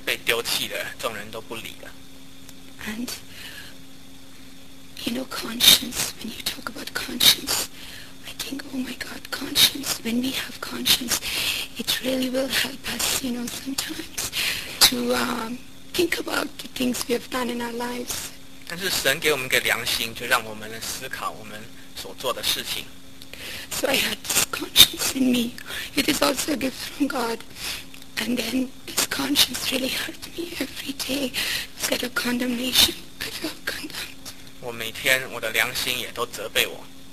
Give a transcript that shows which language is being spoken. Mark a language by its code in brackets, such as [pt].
[zh] 那个时候我就觉得我已经就是被丢弃了，众人都不理了。And [en] you know, conscience, when you talk about conscience, I think, oh my God, conscience, when we have conscience, it really will help us, you know, sometimes to think about the things we have done in our lives. [zh] 但是神给我们一个良心，就让我们思考我们所做的事情。 [en] So I had this conscience in me. It is also a gift from God. And then this conscience really hurt me every day. It's like a condemnation. I felt condemned. [zh] 我每天我的良心也都责备我。